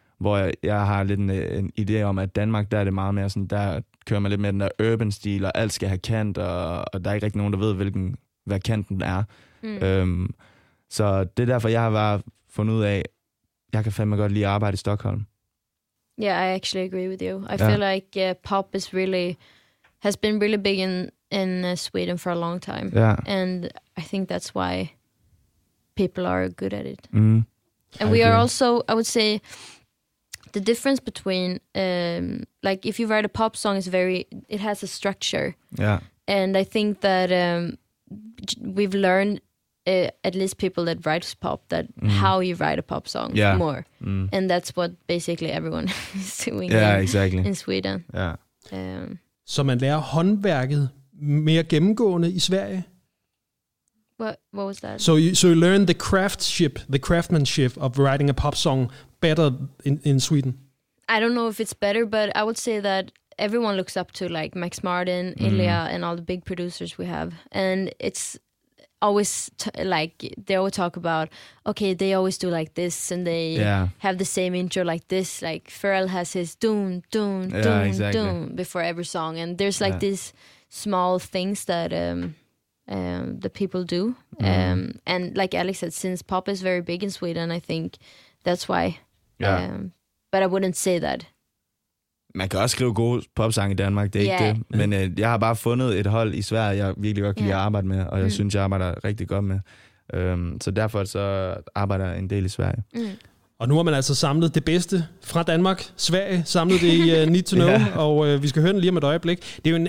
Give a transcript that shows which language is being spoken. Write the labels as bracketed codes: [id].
[da] Hvor jeg har lidt en idé om, at Danmark, der er det meget mere sådan, der kører man lidt mere den der urban stil, og alt skal have kant, og der er ikke rigtig nogen, der ved, hvad kanten er. Så det er derfor, jeg har bare fundet ud af, jeg kan fandme godt lide at arbejde i Stockholm. [en] Yeah, I actually agree with you. I feel like pop is really, has been really big in Sweden for a long time. Yeah. And I think that's why people are good at it. Mm. And we are also, I would say... The difference between, like, if you write a pop song, it has a structure. Yeah. And I think that we've learned, at least people that write pop, that how you write a pop song more. Mm. And that's what basically everyone is doing in Sweden. Yeah. [da] Så man lærer håndværket mere gennemgående i Sverige? [en] What was that? So you learn the craftsmanship of writing a pop song better in Sweden? I don't know if it's better, but I would say that everyone looks up to like Max Martin, Ilya, and all the big producers we have. And it's always like they always talk about, okay, they always do like this, and they have the same intro like this. Like Pharrell has his doom, doom, doom, doom before every song. And there's like these small things that... the people do. And like Alex said, since pop is very big in Sweden, I think that's why. Yeah. But I wouldn't say that. [da] Man kan også skrive gode popsange i Danmark, det er ikke det. Men jeg har bare fundet et hold i Sverige, jeg virkelig godt kan lide at arbejde med, og jeg synes, jeg arbejder rigtig godt med. Så derfor så arbejder jeg en del i Sverige. Og nu har man altså samlet det bedste fra Danmark, Sverige, samlet det i Need to Know, og vi skal høre den lige om et øjeblik.